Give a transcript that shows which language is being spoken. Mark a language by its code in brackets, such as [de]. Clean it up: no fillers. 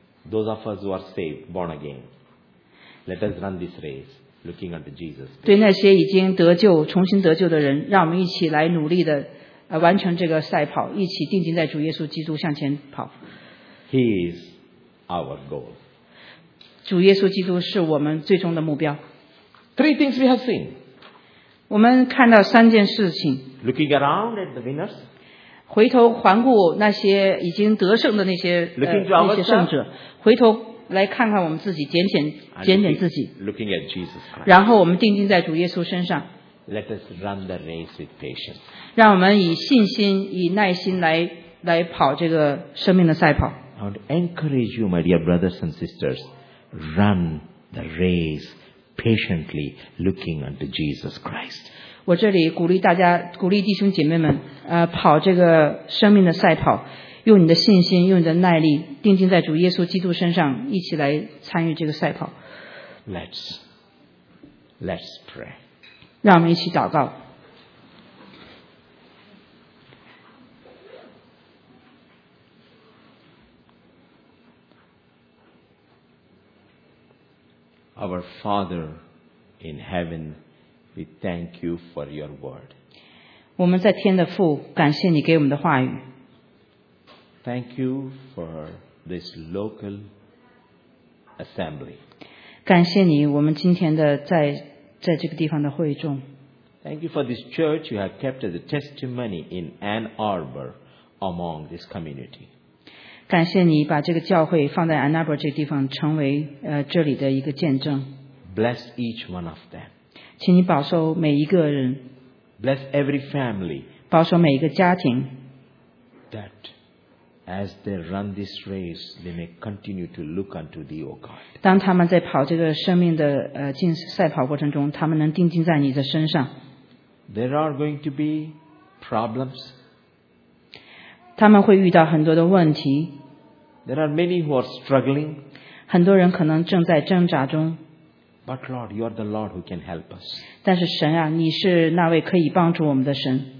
[en] Those of us who are saved, born again, let us run this race, looking unto Jesus. [zh] 对那些已经得救、重新得救的人，让我们一起来努力的完成这个赛跑，一起定睛在主耶稣基督向前跑。 [en] He is our goal. [zh] 主耶稣基督是我们最终的目标。 [en] Three things we have seen. [zh] 我们看到三件事情。 [en] Looking around at the winners. [zh] 回头环顾那些已经得胜的那些胜者，回头来看看我们自己，检点自己。 [en] Looking at Jesus Christ. [zh] 然后我们定睛在主耶稣身上。 [en] Let us run the race with patience. [zh] 让我们以信心、以耐心来跑这个生命的赛跑。 [en] I want to encourage you, my dear brothers and sisters, run the race patiently, looking unto Jesus Christ. [zh] 我这里鼓励大家，鼓励弟兄姐妹们，跑这个生命的赛跑，用你的信心，用你的耐力，定睛在主耶稣基督身上，一起来参与这个赛跑。 [en] Let's pray. [zh] 让我们一起祷告。 [en] Our Father in heaven. We thank you for your word. [zh] 我们在天的父，感谢你给我们的话语。 [en] Thank you for this local assembly. [zh] 感谢你，我们今天的在这个地方的会众。 [en] Thank you for this church you have kept as a testimony in Ann Arbor among this community. [zh] 感谢你把这个教会放在 Ann Arbor 这个地方，成为这里的一个见证。 [en] Bless each one of them. [zh] 请你保守每一个人 [en] Bless every family, [zh] 保守每一个家庭 [en] that as they run this race, they may continue to look unto thee, O God. [zh] 当他们在跑这个生命的赛跑过程中，他们能定睛在你的身上。 [en] There are going to be problems. [zh] 他们会遇到很多的问题。 [en] There are many who are struggling. [zh] 很多人可能正在挣扎中。 [en] But Lord, you are the Lord who can help us. [zh] 但是神啊，你是那位可以帮助我们的神。